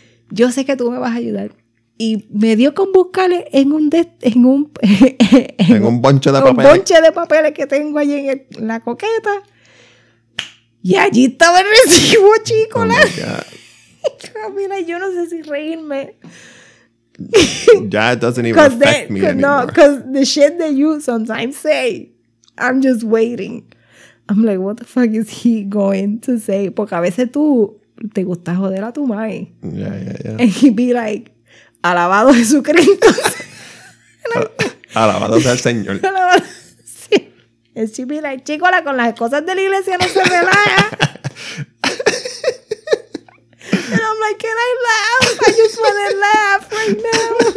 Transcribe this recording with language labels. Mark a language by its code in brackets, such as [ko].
[es] Yo sé que tú me vas a ayudar. Y me dio con buscarle en un... en un bonche de un papeles. Un bonche de papeles que tengo allí en la coqueta. Y allí estaba el recibo, chico. [en] Oh, my God. [es] Mira, yo no sé si reírme. [en] That doesn't even affect me anymore. No, because the shit that you sometimes say, I'm just waiting. I'm like, what the fuck is he going to say? [es] Porque a veces tú... Te gusta joder a tu mae. [en] Yeah, yeah, yeah. And he'd be like, [es] alabado Jesucristo. Alabado sea el Señor. Alabado. Sí. [en] And she'd be like, [es] chicola, con las cosas de la iglesia no se relaja. [en] And I'm like, can I laugh? I just want to laugh right now.